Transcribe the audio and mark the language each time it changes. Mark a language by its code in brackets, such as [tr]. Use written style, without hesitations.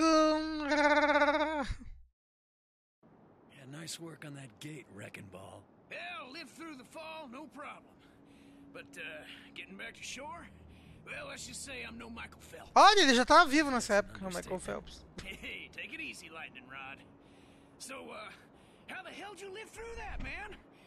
[en] Yeah, nice work on that gate, Wrecking Ball. Well, live through the fall, no problem. But getting back to shore? Well, let's just say I'm no Michael Phelps. [pt] Olha, ele já tava vivo nessa época, Michael Phelps. [en] Hey, take it easy, Lightning Rod. So, how the hell did you live through that, man?